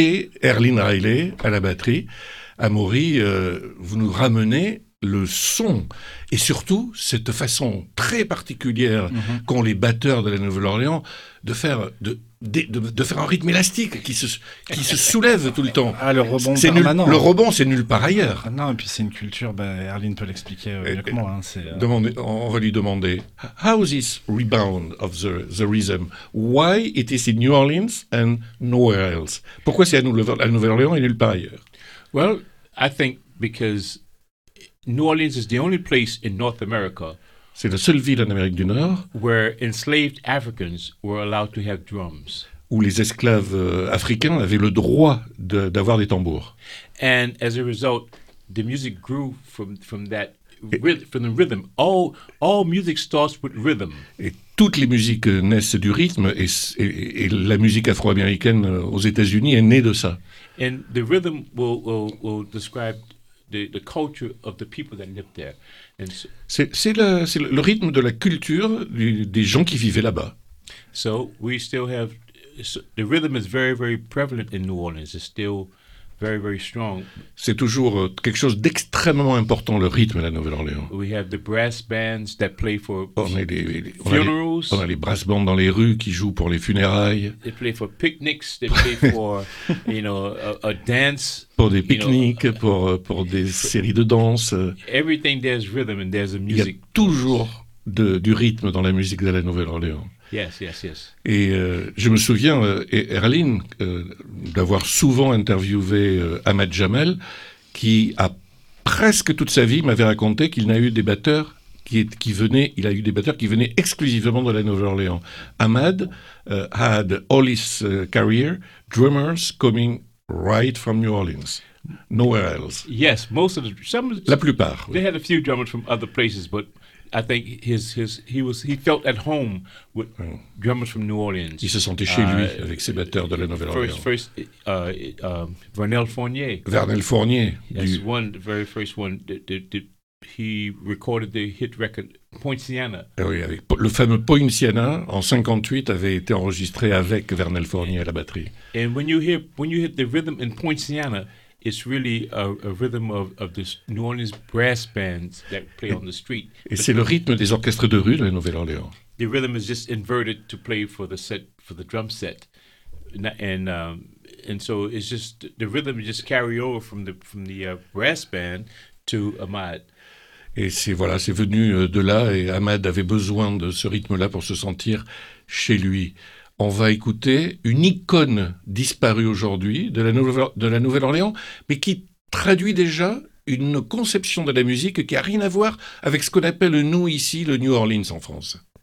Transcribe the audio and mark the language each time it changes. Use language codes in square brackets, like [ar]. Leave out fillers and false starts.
[fr] Et Erlyn Riley à la batterie. Amory, vous nous ramenez le son et surtout cette façon très particulière qu'ont les batteurs de la Nouvelle-Orléans de faire un rythme élastique qui se soulève tout le temps. Ah, le rebond c'est permanent. Le rebond, c'est nulle part ailleurs. Ah, non, et puis c'est une culture, Erlyn peut l'expliquer mieux que moi. Hein, on va lui demander. [en] How is this rebound of the rhythm? Why it is in New Orleans and nowhere else? [fr] Pourquoi c'est à Nouvelle-Orléans et nulle part ailleurs? [en] Well, I think because New Orleans is the only place in North America. [fr] C'est la seule ville en Amérique du Nord [en] where enslaved Africans were allowed to have drums. [fr] Où les esclaves africains avaient le droit d'avoir des tambours. [en] And as a result, the music grew from that from the rhythm. All music starts with rhythm. [fr] Et toutes les musiques naissent du rythme et la musique afro-américaine aux États-Unis est née de ça. [en] And the rhythm will describe the culture of the people that lived there. And [fr] so, c'est le rythme de la culture des gens qui vivaient là-bas. [en] So we still have the rhythm is very very prevalent in New Orleans. It's still very very strong. [fr] C'est toujours quelque chose d'extrêmement important le rythme à la Nouvelle-Orléans. [en] We have the brass bands that play for funerals. [fr] On a les brass bands dans les rues qui jouent pour les funérailles. [en] They play for picnics. They play for you know a dance. [fr] Pour des pique-niques, pour des séries de danse. [en] Everything there's rhythm and there's a music. [fr] Il y a toujours du rythme dans la musique de la Nouvelle-Orléans. [en] Yes, yes, yes. [fr] Et je me souviens, Erlyn, d'avoir souvent interviewé Ahmad Jamal, qui a presque toute sa vie m'avait raconté qu'il n'a eu des batteurs il a eu des batteurs qui venaient exclusivement de la Nouvelle-Orléans. [en] Ahmad had all his career drummers coming right from New Orleans. Nowhere else. Yes, most of the some. [fr] La plupart. [en] They had a few drummers from other places, but I think he felt at home with drummers from New Orleans. [fr] Il se sentait chez lui avec ses batteurs de la Nouvelle-Orléans. [en] First, Vernel Fournier. Vernel Fournier. Yes, the very first one. He recorded the hit record Poinciana. [fr] Oui, le fameux Poinciana en 58 avait été enregistré avec Vernel Fournier à la batterie. [en] And when you hit the rhythm in Poinciana, it's really a rhythm of the New Orleans brass bands that play on the street. [fr] Et c'est le rythme des orchestres de rue de la Nouvelle-Orléans. [en] The rhythm is just inverted to play for the drum set, and so it's just the rhythm just carry over from the brass band to Ahmad. [fr] Et c'est venu de là, et Ahmad avait besoin de ce rythme-là pour se sentir chez lui. On va écouter une icône disparue aujourd'hui de la Nouvelle-Orléans, mais qui traduit déjà une conception de la musique qui n'a rien à voir avec ce qu'on appelle nous ici le New Orleans en France.